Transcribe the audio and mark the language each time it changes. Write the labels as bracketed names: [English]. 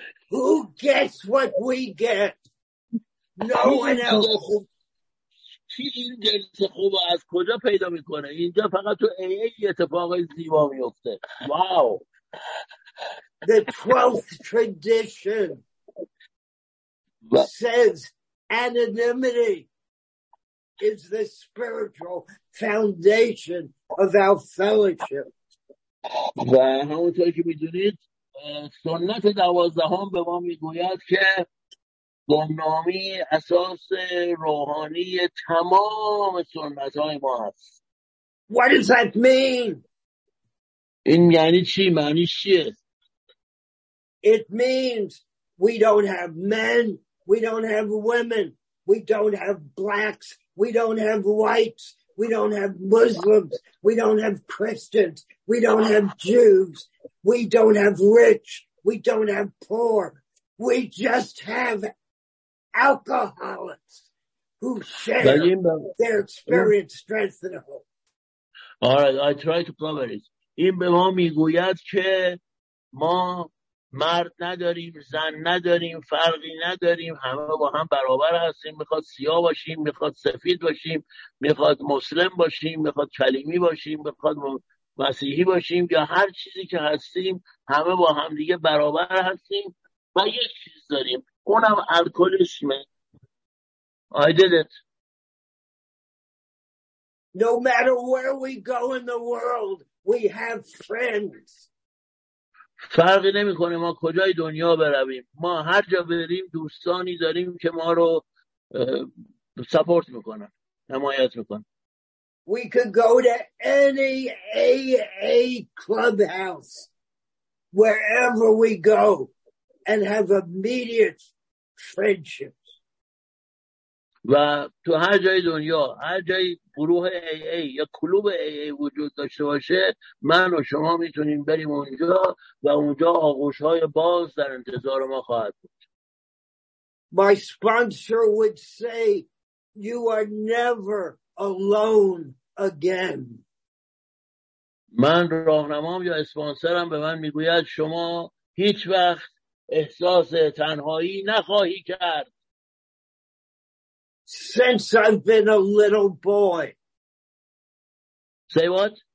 [English] Who gets what we get? No one else. [Persian] چی این جلس خوب از کجا پیدا میکنه؟ اینجا فقط تو ای اتفاق زیبا میفته. [English] Wow. The 12th tradition says anonymity is the spiritual foundation of our fellowship. [Persian] و همونطور که میدونید سنت دوازدهم به ما میگوید که گمنامی اساس روحانی تمام سنت های ما هست. [English] What does that mean? [Persian] این یعنی چی؟ معنیش چیه؟ [English] It means we don't have men, we don't have women, we don't have blacks, we don't have whites, we don't have Muslims, we don't have Christians, we don't have Jews, we don't have rich, we don't have poor, we just have alcoholics who share their experience, strength, and hope. All right, I try to cover it. [Persian] این به ما میگوید که ما مرد نداریم، زن نداریم، فرقی نداریم، همه با هم برابر هستیم. میخواد سیاه باشیم، میخواد سفید باشیم، میخواد مسلم باشیم، میخواد کلیمی باشیم، میخواد مسیحی باشیم یا هر چیزی که هستیم، همه با هم دیگه برابر هستیم و یک چیز داریم، اونم الکولیسمه. [English] I did it. No matter where we go in the world, we have friends. [Persian] فرقی نمی کنه ما کجای دنیا برویم، ما هر جا بریم دوستانی داریم که ما رو سپورت میکنن، حمایت میکنن. [English] We could go to any AA clubhouse wherever we go and have immediate friendships. [Persian] و تو هر جای دنیا، هر جای گروه AA یا کلوب AA وجود داشته باشه، من و شما میتونیم بریم اونجا و اونجا آغوش‌های باز در انتظار ما خواهد بود. [English] My sponsor would say you are never alone again. [Persian] من راهنمام یا اسپانسرم به من میگوید شما هیچ وقت احساس تنهایی نخواهی کرد. [English] Since I've been a little boy. Say what?